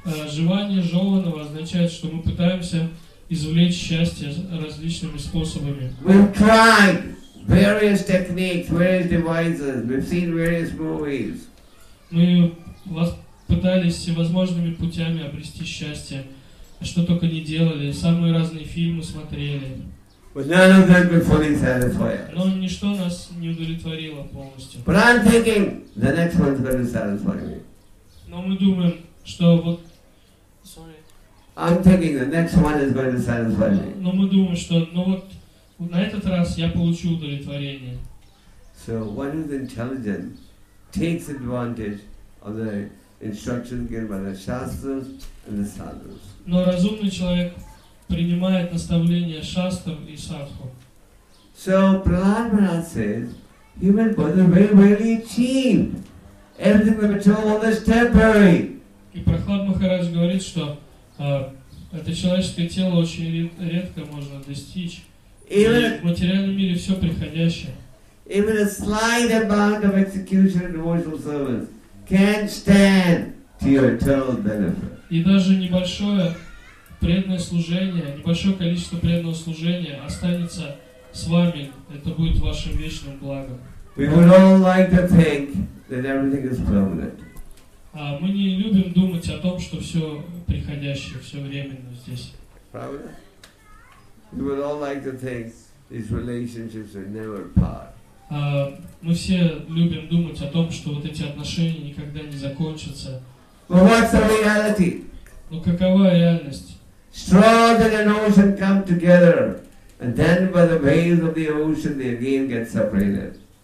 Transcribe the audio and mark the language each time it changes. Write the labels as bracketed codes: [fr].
[ru] Жевание жеванного означает, что мы пытаемся извлечь счастье различными способами. [en] We've tried various techniques, various devices, we've seen various movies. [ru] Мы пытались всевозможными путями обрести счастье, что только не делали, самые разные фильмы смотрели. [en] But none of them will fully satisfy us. [ru] Но ничто нас не удовлетворило полностью. [en] But I'm thinking the next one's going to satisfy me. [ru] Но мы думаем, что вот [en] I'm thinking the next one is going to satisfy me. [ru] Но мы думаем, что ну вот на этот раз я получу удовлетворение. [en] So what is intelligent takes advantage of the instructions given by the shastras and the sadhus. [ru] Но разумный человек принимает наставления шастр и садху. [en] So Prahlad Maharaj says, human body is very, very cheap. Everything that we're told is temporary. [ru] И Прохлад Махарадж говорит, что это человеческое тело очень редко можно достичь. [en] Even, [ru] в материальном мире все приходящее. [en] Even a slight amount of execution and devotional service can stand to your eternal benefit. [ru] И даже небольшое преданное служение, небольшое количество преданного служения останется с вами. Это будет вашим вечным благом. [en] We would all like to think that everything is permanent. [ru] Мы не любим думать о том, что все приходящее, все временно здесь. Правда? [en] We would all like to think these relationships will never part. [ru] Мы все любим думать о том, что вот эти отношения никогда не закончатся. [en] But what's the reality? [ru] Но какова реальность? [en] Straws and an ocean come together, and then by the waves of the ocean they again get separated.